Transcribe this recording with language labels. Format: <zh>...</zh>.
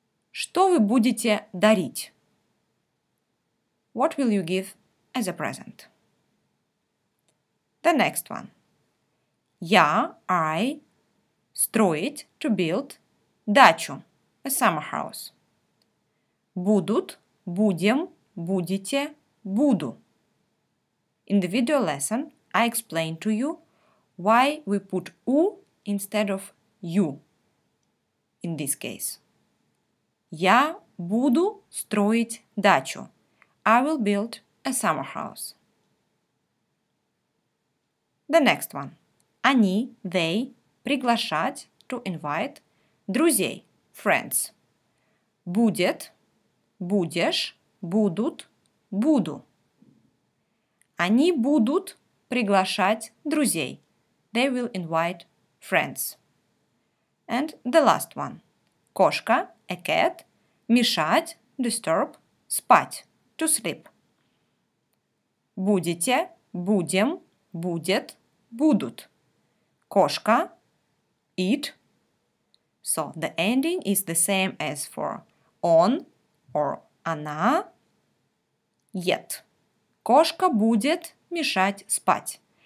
<ru>Что вы будете дарить?</ru> <en>What will you give as a present? The next one.</en> <ru>Я,</ru> <en>I,</en> <ru>строить,</ru> <en>to build,</en> <ru>дачу,</ru> <en>a summer house.</en> <ru>Будут, будем, будете, буду.</ru> <en>In the video lesson, I explained to you why we put U instead of you in this case.</en> <ru>Я буду строить дачу.</ru> <en>I will build a summer house. The next one. Они, they, приглашать, to invite, друзей, friends.</en> <ru>Будет, будешь, будут, буду. Они будут приглашать друзей.</ru> <en>They will invite friends. And the last one.</en> <ru>Кошка,</ru> <en>a cat,</en> <ru>мешать,</ru> <en>disturb,</en> <ru>спать,</ru> <en>to sleep.</en> <ru>Будете, будем, будет, будут. Кошка,</ru> <en>it. So the ending is the same as for on or она, yet.</en> <ru>Кошка будет мешать спать.</ru>